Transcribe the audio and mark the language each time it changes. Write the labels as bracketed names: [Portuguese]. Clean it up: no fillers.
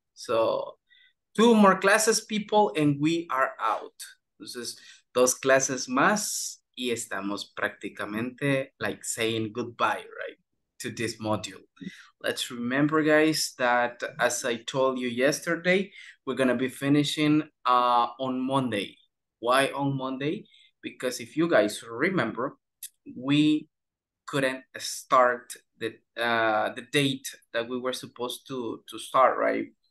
[English] So two more classes, people, and we are out. [Spanish] Entonces, dos clases más y estamos prácticamente [English] like saying goodbye, right? To this module. Let's remember, guys, that as I told you yesterday, we're gonna be finishing on Monday. Why on Monday? Because if you guys remember, we couldn't start the date that we were supposed to start, right?